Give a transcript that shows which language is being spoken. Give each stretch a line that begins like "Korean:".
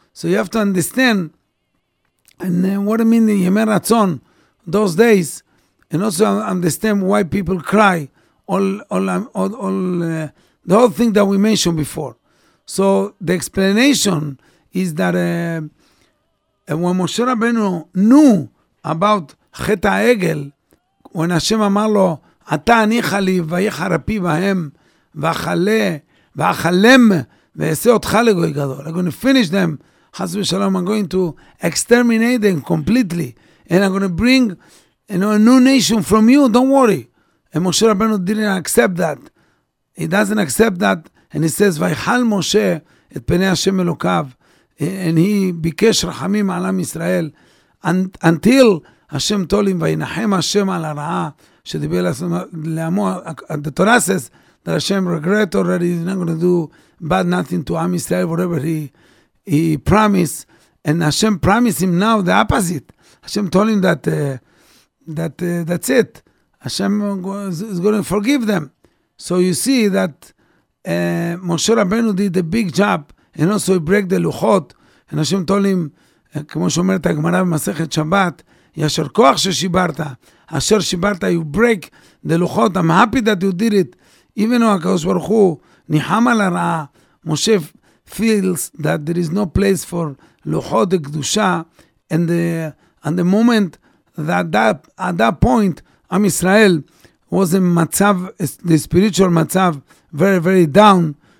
English: So you have to understand and what it means in Yemei Ratzon, those days, and also understand why people cry, the whole thing that we mentioned before. So the explanation is that when Moshe Rabbeinu knew about Chet HaEgel, when Hashem Amar Lo,
Hebrew: אתה עניך לי ויהיה חרפי בהם, ואחלם, ועשה אותך לגוי גדול.
English: I'm going to finish them. חס ושלום, I'm going to exterminate them completely. And I'm going to bring a new nation from you. Don't worry. And Moshe Rabbeinu didn't accept that. He doesn't accept that. And he says,
Hebrew: ויחל משה את פני השם אלוקיו.
English: And he ביקש רחמים על עם ישראל. Until השם told him,
Hebrew: וינחם השם על הרעה. שדיבר לעמו,
English: the Torah says, that Hashem regret already, he's not going to do bad nothing to Am Yisrael, whatever he promised. And Hashem promised him now the opposite. Hashem told him that that's it. Hashem is going to forgive them. So you see that Moshe Rabbeinu did a big job, and also he broke the Luchot. And Hashem told him,
Hebrew: כמו שאומרת הגמרא במסכת שבת, יישר כוח ששיברת, אשר שיברת,
English: you break the Luchot. I'm happy that you did it. Even though HaKadosh Baruch Hu niham al hara, Moshe feels that there is no place for Luchot the Kedusha, and the moment at that point, Am Yisrael was in matzav, the spiritual matzav, very, very down.